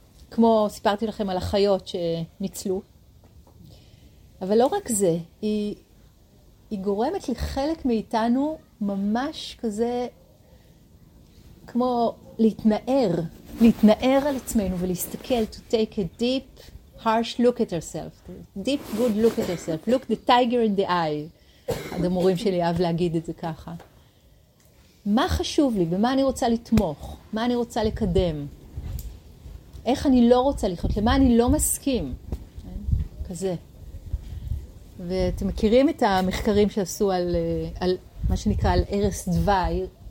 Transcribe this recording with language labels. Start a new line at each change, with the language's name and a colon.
Hebrew: כמו סיפרתי לכם על החיות שניצלו. אבל לא רק זה, היא גורמת לחלק מאיתנו ממש כזה, כמו להתנער על עצמנו ולהסתכל,
English: to take a deep harsh look at yourself, deep good look at yourself, look the tiger in the eye.
Hebrew: המורים שלי אהב להגיד את זה ככה. מה חשוב לי? במה אני רוצה לתמוך? מה אני רוצה לקדם? איך אני לא רוצה לחיות? למה אני לא מסכים? כזה. ואתם מכירים את המחקרים שעשו על, על מה שנקרא על ערס דווי?